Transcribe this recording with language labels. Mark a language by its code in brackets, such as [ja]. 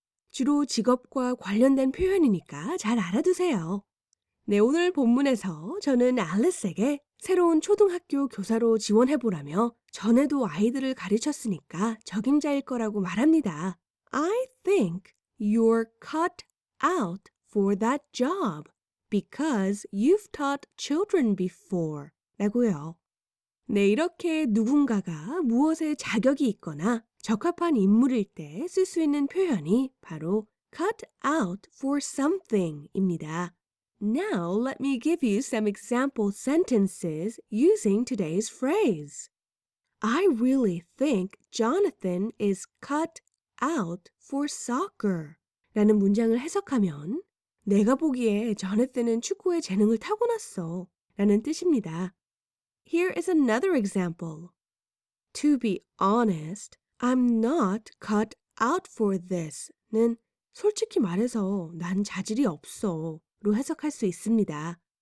[ko] 주로 직업과 관련된 표현이니까 잘 알아두세요. 네, 오늘 본문에서 저는 Alice에게 새로운 초등학교 교사로 지원해보라며 전에도 아이들을 가르쳤으니까 적임자일 거라고 말합니다. [en] I think you're cut out for that job because you've taught children before [ko] 라고요. 네, 이렇게 누군가가 무엇에 자격이 있거나 적합한 인물일 때 쓸 수 있는 표현이 바로 cut out for something입니다. [en] Now let me give you some example sentences using today's phrase. I really think Jonathan is cut out for soccer. [ko] 라는 문장을 해석하면 내가 보기에 Jonathan은 축구에 재능을 타고났어 라는 뜻입니다. [en] Here is another example. To be honest, I'm not cut out for this. [ko] 는 솔직히 말해서 난 자질이 없어 로 해석할 수 있습니다.